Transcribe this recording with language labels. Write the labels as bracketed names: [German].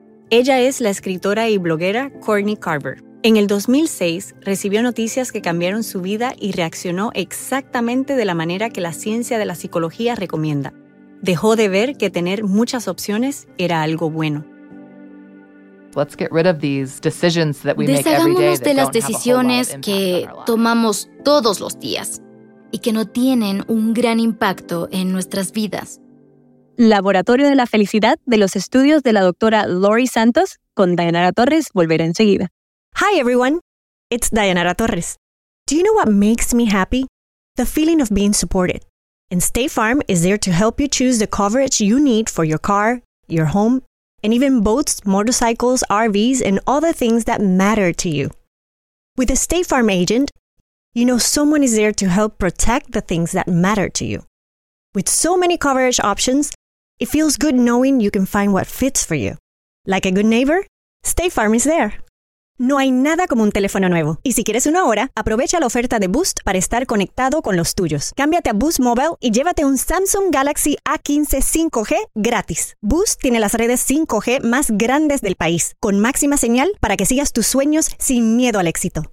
[Spanish] Ella es la escritora y bloguera Courtney Carver. En el 2006, recibió noticias que cambiaron su vida y reaccionó exactamente de la manera que la ciencia de la psicología recomienda. Dejó de ver que tener muchas opciones era algo bueno. [English] Let's get rid of these decisions that we make every day. De las decisiones que tomamos todos los días y que no tienen un gran impacto en nuestras vidas. Laboratorio de la Felicidad de los estudios de la doctora Lori Santos con Dayanara Torres volverá enseguida. Hi everyone, it's Dayanara Torres. Do you know what makes me happy? The feeling of being supported. And State Farm is there to help you choose the coverage you need for your car, your home, and even boats, motorcycles, RVs, and all the things that matter to you. With a State Farm agent, you know someone is there to help protect the things that matter to you. With so many coverage options, it feels good knowing you can find what fits for you. Like a good neighbor, State Farm is there. [Spanish] No hay nada como un teléfono nuevo. Y si quieres uno ahora, aprovecha la oferta de Boost para estar conectado con los tuyos. Cámbiate a Boost Mobile y llévate un Samsung Galaxy A15 5G gratis. Boost tiene las redes 5G más grandes del país, con máxima señal para que sigas tus sueños sin miedo al éxito.